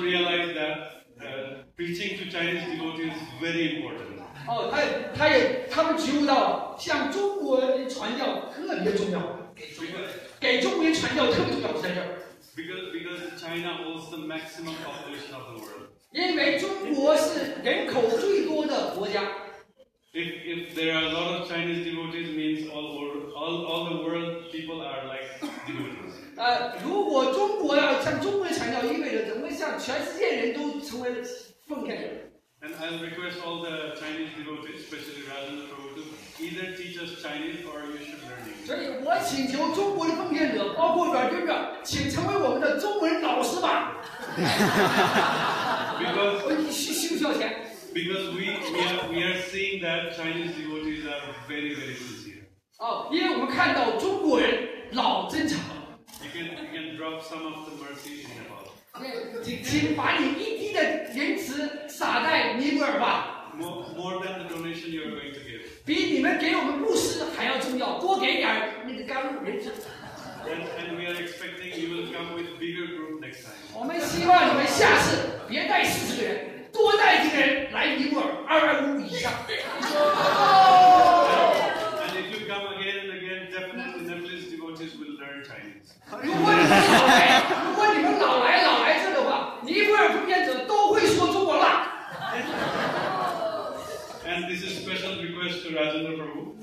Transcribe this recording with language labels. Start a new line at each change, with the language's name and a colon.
English: realize that preaching to Chinese devotees is very important.
Chinese: 哦，他们觉悟到向中国传教特别重要，给中国传教特别重要，在这儿。
English: Because China holds the maximum population of the world.
Chinese: 因为中国是人口最多的国家。
English: If there are a lot of Chinese devotees, means all the world people are like devotees.
Chinese: 如果中国要向中国传教，意味着怎么向全世界人都成为奉献者。
English: And I'll request all the Chinese devotees, especially Rajendra Prabhu, to either teach us Chinese or you should learn English. because we are seeing that Chinese devotees are very, very sincere. You can drop some of the mercy in the Bible.
Chinese: 请把你一滴的言辞撒在尼泊尔吧。
English: More than the donation you are going to give.
Chinese: 比你们给我们布施还要重要，多给点那个甘露。
English: And we are expecting you will come with bigger group next time.
Chinese: 我们希望你们下次别带40个人，多带几个人来尼泊尔，250以上。
English: And if you come again and again, definitely Nepalese devotees will learn Chinese.
Chinese: 如果你们老来这的话，尼泊尔不变者都会说中国话。
English: And this is a special request to Rajendra Prabhu.